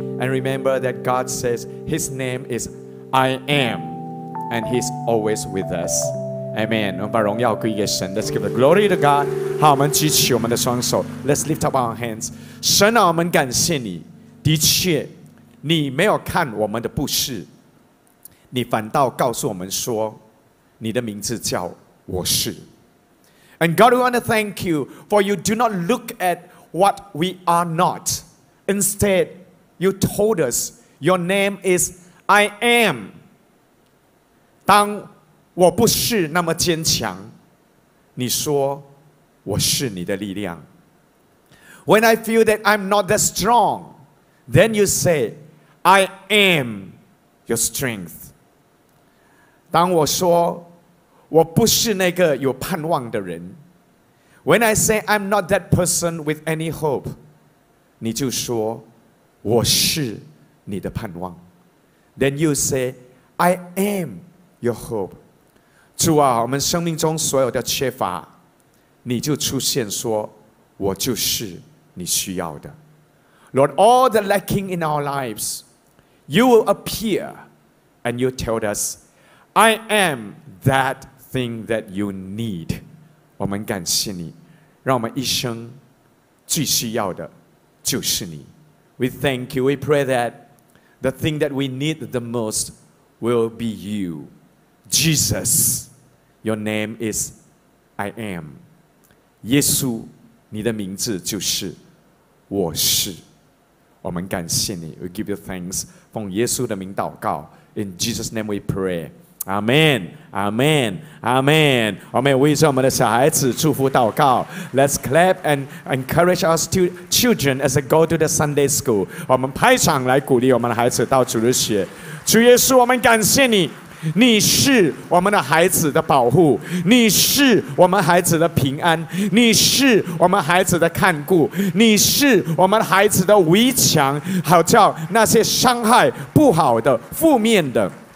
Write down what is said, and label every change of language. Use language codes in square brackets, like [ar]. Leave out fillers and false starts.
[en] And remember that God says His name is I am, and He's always with us. Amen. [zh] 我们把荣耀归给神。 [en] Let's give the glory to God. [zh] 好，我们举起我们的双手。 [en] Let's lift up our hands. [zh] 神啊，我们感谢你。的确，你没有看我们的不是，你反倒告诉我们说，你的名字叫我是。 [en] And God, we want to thank you for you do not look at what we are not. Instead,You told us, your name is I am. [zh] 当我不是那么坚强，你说我是你的力量。 [en] When I feel that I'm not that strong, then you say, I am your strength. [zh] 当我说我不是那个有盼望的人， [en] When I say I'm not that person with any hope, [zh] 你就说我是你的盼望。 [en] Then you say, I am your hope. [zh] 主啊，我们生命中所有的缺乏，你就出现说，我就是你需要的。 [en] Lord, all the lacking in our lives, you will appear and you tell us, I am that thing that you need. [zh] 我们感谢你，让我们一生最需要的就是你。 [en] We thank you, we pray that the thing that we need the most will be you, Jesus. Your name is I am. [zh] 耶稣，你的名字就是我是。我们感谢你， [en] we give you thanks. [zh] 奉耶稣的名祷告， [en] in Jesus' name we pray. Amen, Amen, Amen. [zh] 我们为着我们的小孩子祝福祷告。 [en] Let's clap and encourage our children as they go to the Sunday school. [zh] 我们拍掌来鼓励我们的孩子到主日学。主耶稣，我们感谢你，你是我们的孩子的保护，你是我们孩子的平安，你是我们孩子的看顾，你是我们孩子的围墙，好叫那些伤害不好的、负面的、